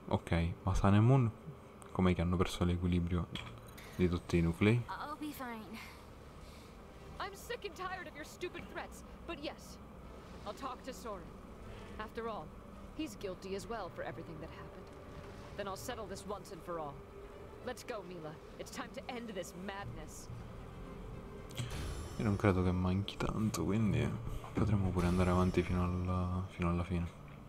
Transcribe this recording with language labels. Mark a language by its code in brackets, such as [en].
[it] Ok, ma Sun e Moon, com'è che hanno perso l'equilibrio di tutti i nuclei? [en] I'll be fine. I'm sick and tired of your stupid threats, but yes, I'll talk to Soren. After all, he's guilty as well for everything that happened. Then I'll settle this once and for all. Let's go, Mila. It's time to end this madness. [it] Io non credo che manchi tanto, quindi potremmo pure andare avanti fino alla fine.